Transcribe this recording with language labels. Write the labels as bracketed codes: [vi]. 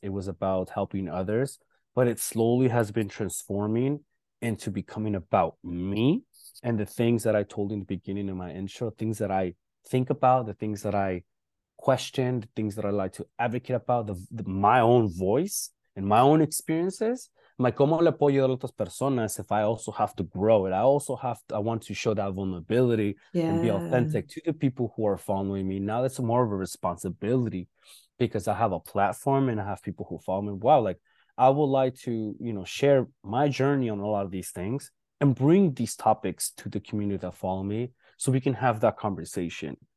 [en] It was about helping others, but it slowly has been transforming into becoming about me and the things that I told in the beginning of my intro, things that I think about, the things that I question, the things that I like to advocate about, my own voice and my own experiences. Like, [es] ¿cómo le puedo ayudar a otras personas [en] if I also have to grow it? I want to show that vulnerability and be authentic to the people who are following me. Now that's more of a responsibility, because I have a platform and I have people who follow me. Wow, like, I would like to, you know, share my journey on a lot of these things and bring these topics to the community that follow me, so we can have that conversation.